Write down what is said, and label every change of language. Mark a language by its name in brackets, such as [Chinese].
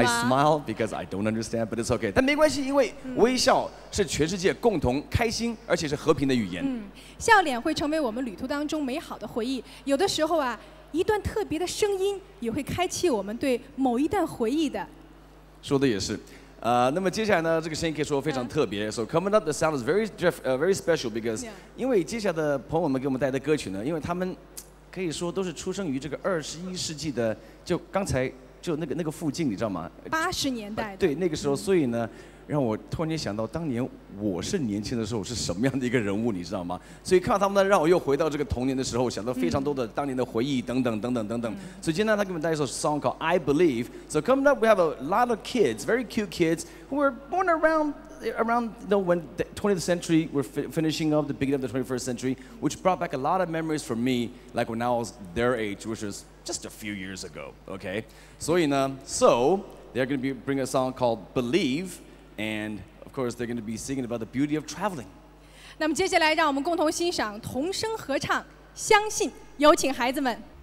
[English] I smile because I don't understand, but it's okay. [Chinese] 但没关系，因为微笑是全世界共同开心而且是和平的语言。笑脸会成为我们旅途当中美好的回忆。有的时候啊，一段特别的声音也会开启我们对某一段回忆的。说的也是。那么接下来呢，这个声音可以说非常特别。 [English] So coming up, the sound is very very special because [Chinese] 因为接下来的朋友们给我们带来的歌曲呢，因为他们可以说都是出生于这个二十一世纪的，就刚才。就那个附近，你知道吗？八十年代的。对，那个时候，所以呢，让我突然间想到当年我是年轻的时候是什么样的一个人物，你知道吗？所以看到他们呢，让我又回到这个童年的时候，想到非常多的当年的回忆等等等等等等。所以今天他给我们带一首 [English] song called I Believe. So coming up, we have a lot of kids, very cute kids, who were born around you know, when the 20th century, we're finishing up the beginning of the 21st century, which brought back a lot of memories for me, like when I was their age, which was just a few years ago, okay? So they're going to bring a song called Believe, and of course, they're going to be singing about the beauty of traveling. [Chinese] 那么接下来让我们共同欣赏童声合唱相信。有请孩子们。